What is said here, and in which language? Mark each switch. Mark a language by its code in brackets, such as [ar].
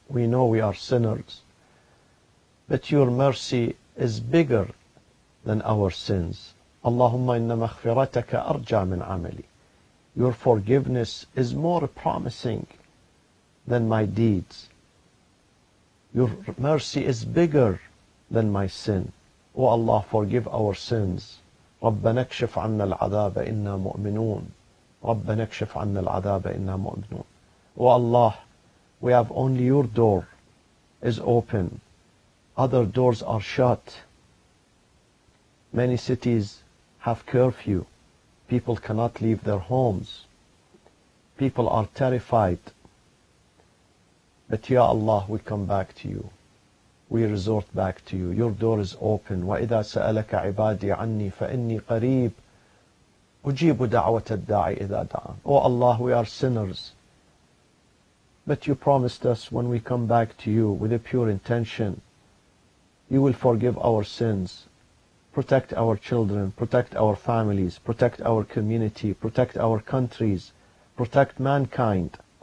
[en] We know we are sinners. But your mercy is bigger than our sins. [ar] Allahumma inna maghfirataka arja min amali. [en] your forgiveness is more promising than my deeds. Your mercy is bigger than my sin. O Allah, forgive our sins. [ar] رَبَّنَا اكْشِفْ عَنَّا الْعَذَابَ إِنَّا مُؤْمِنُونَ رَبَّنَا اكْشِفْ عَنَّا الْعَذَابَ إِنَّا مُؤْمِنُونَ [en] O Allah, we have only your door is open. Other doors are shut. Many cities have curfew. People cannot leave their homes. People are terrified. But Ya Allah, we come back to you. We resort back to you. Your door is open. [ar] وَإِذَا سَأَلَكَ عِبَادِي عَنِّي فَإِنِّي قَرِيبٌ أُجِيبُ دَعْوَةَ الدَّاعِ إِذَا دَعَانِ [en] O Allah, we are sinners. But you promised us when we come back to you with a pure intention, you will forgive our sins, protect our children, protect our families, protect our community, protect our countries, protect mankind.